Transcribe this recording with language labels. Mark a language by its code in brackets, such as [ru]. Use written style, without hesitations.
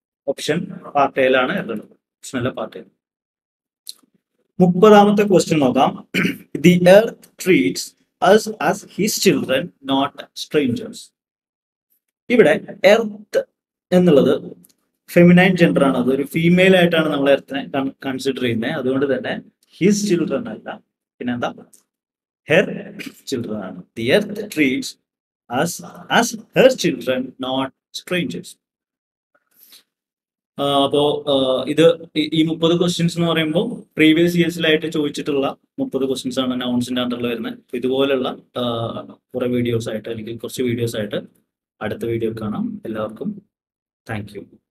[ml] Option part A ആണ് എഴുതുന്നത്, option അല്ല പാർട്ട് എ. [en] 30th question നോക്കാം. The earth treats us as his children, not strangers. [ml] ഇവിടെ earth എന്നുള്ളത് ഫെമിനൈൻ ജെൻഡർ ആണ്, അതൊരു ഫീമെയിൽ ആയിട്ടാണ് നമ്മൾ എർത്തിനെ കൺസിഡർ ചെയ്യുന്നത്. അതുകൊണ്ട് തന്നെ [en] his children [ml] അല്ല, പിന്നെന്താ, [en] her children [ml] ആണ്. [en] The earth treats us as her children, not strangers. [ml] അപ്പോ ഇത് ഈ 30 ക്വസ്റ്റ്യൻസ് എന്ന് പറയുമ്പോൾ പ്രീവിയസ് ഇയേഴ്സിലായിട്ട് ചോദിച്ചിട്ടുള്ള 30 ക്വസ്റ്റ്യൻസ് ആണ് അനൗൺസിന്റെ അണ്ടറിൽ വരുന്നത്. അപ്പൊ ഇതുപോലുള്ള കുറെ വീഡിയോസ് ആയിട്ട് അല്ലെങ്കിൽ കുറച്ച് വീഡിയോസ് ആയിട്ട് അടുത്ത വീഡിയോ കാണാം. എല്ലാവർക്കും താങ്ക് യു.